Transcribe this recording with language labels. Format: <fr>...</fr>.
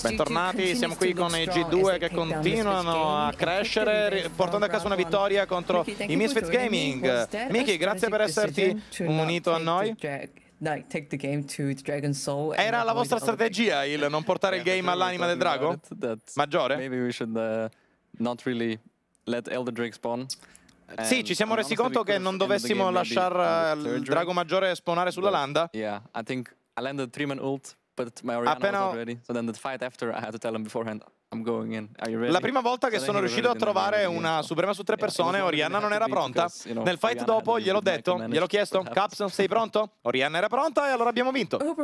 <it>Bentornati, siamo qui con i G2 che continuano a crescere, portando a casa una vittoria contro i Misfits Gaming. Miki, grazie per esserti unito a noi.</it> <en>Take the game to the Dragon Soul.</en> <it>Era la vostra strategia il non portare il game all'anima del drago? Maggiore?</it> <en>Not really let Elder Drake spawn.</en> <it>Sì, ci siamo resi conto che non dovessimo lasciare il drago maggiore spawnare sulla landa.</it> <en>Yeah, I think I landed 3-man ult, but my Orianna</en> <it>appena</it> <en>was already. So then the fight after I had to tell him beforehand I'm going in. Are you ready?</en> <it>La prima volta che sono riuscito a trovare una suprema su tre persone, Orianna non era pronta.</it> <en>Because,</en> <it>nel fight Orianna dopo gliel'ho detto, gliel'ho chiesto, Caps, sei pronto? Orianna era pronta e allora abbiamo vinto.</it>